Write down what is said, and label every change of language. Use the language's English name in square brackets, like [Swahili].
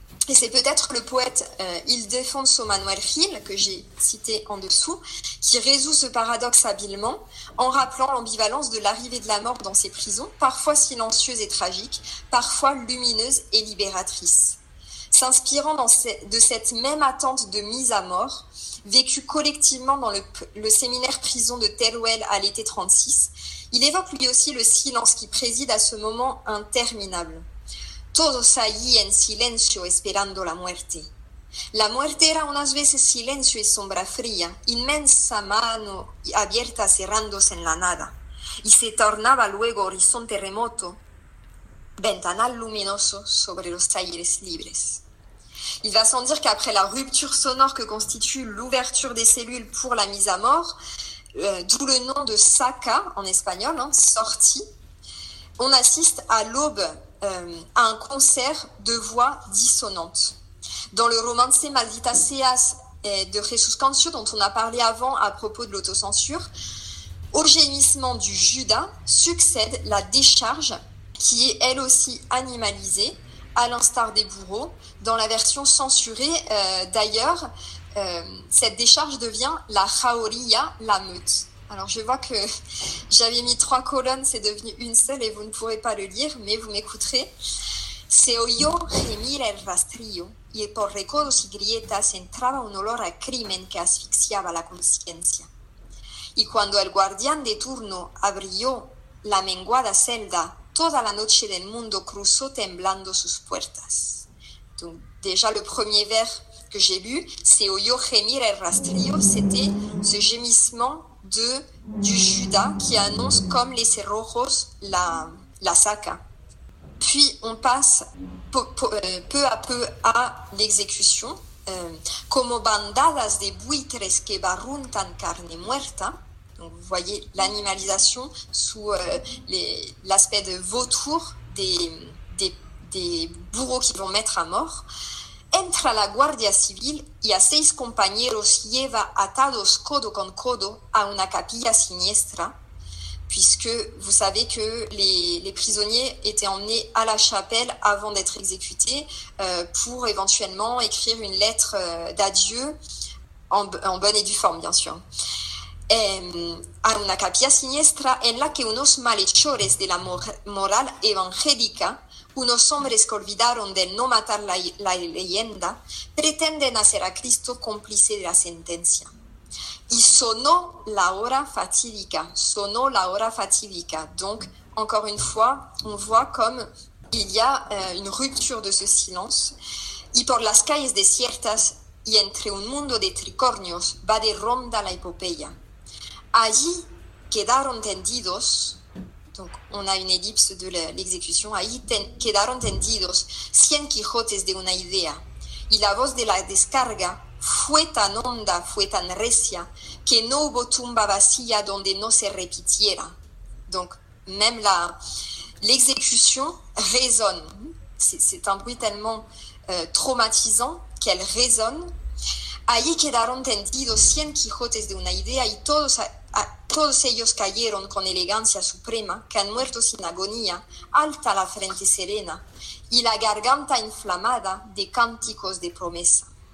[French] Et c'est peut-être le poète Ildefonso Manuel Gil, que j'ai cité en dessous, qui résout ce paradoxe habilement en rappelant l'ambivalence de l'arrivée de la mort dans ses prisons, parfois silencieuse et tragique, parfois lumineuse et libératrice. S'inspirant de cette même attente de mise à mort, vécue collectivement dans le séminaire prison de Teruel à l'été 36, il évoque lui aussi le silence qui préside à ce moment interminable. [Spanish] Todos allí en silencio esperando la muerte. La muerte era unas veces silencio y sombra fría, inmensa mano abierta cerrándose en la nada, y se tornaba luego horizonte remoto, ventanal luminoso sobre los aires libres. [French] Il va sans dire qu'après la rupture sonore que constitue l'ouverture des cellules pour la mise à mort, d'où le nom de saca en espagnol, hein, sortie, on assiste à l'aube à un concert de voix dissonantes. Dans le romancé Maldita Seas de Jesús Cancio, dont on a parlé avant à propos de l'autocensure, au gémissement du Judas succède la décharge qui est elle aussi animalisée, à l'instar des bourreaux, dans la version censurée. D'ailleurs, cette décharge devient la jauría, la meute. Alors, je vois que j'avais mis trois colonnes, c'est devenu une seule et vous ne pourrez pas le lire, mais vous m'écouterez. [Spanish] Se oyó gemir el rastrillo y por recodos y grietas entraba un olor a crimen que asfixiaba la conciencia. Y cuando el guardián de turno abrió la menguada celda, toda la noche del mundo cruzó temblando sus puertas. [French] Donc, déjà le premier vers que j'ai lu, c'est [Spanish] Oyo gemir el rastrillo, [French] c'était ce gémissement du Judas qui annonce comme les cerrojos la saca. Puis on passe peu à peu à l'exécution. [Spanish] Como bandadas de buitres que barruntan carne muerta. [French] Donc vous voyez l'animalisation sous l'aspect de vautour des bourreaux qui vont mettre à mort. [Spanish] Entra la guardia civil y a seis compañeros lleva atados codo con codo a una capilla siniestra, [French] puisque vous savez que les prisonniers étaient emmenés à la chapelle avant d'être exécutés pour éventuellement écrire une lettre d'adieu en bonne et due forme, bien sûr. [Spanish] A una capilla siniestra en la que unos malhechores de la moral evangélica, unos hombres que olvidaron de no matar la leyenda, pretenden hacer a Cristo cómplice de la sentencia. Y sonó la hora fatídica, sonó la hora fatídica. [French] Donc, encore une fois, on voit comme il y a une rupture de ce silence. [Spanish] Y por las calles desiertas y entre un mundo de tricornios va de ronda la epopeya. Allí quedaron tendidos, [French] Donc, on a une ellipse de l'exécution. [Spanish] Ahí quedaron tendidos 100 quijotes de una idea. Y la voz de la descarga fue tan honda, fue tan recia, que no hubo tumba vacía donde no se repitiera. [French] Donc, même l'exécution résonne. C'est un bruit tellement traumatisant qu'elle résonne. Ahí quedaron tendidos 100 quijotes de una idea y todos ellos cayeron con elegancia suprema, que han muerto sin agonía, alta la frente serena y la garganta inflamada de cánticos de promesa.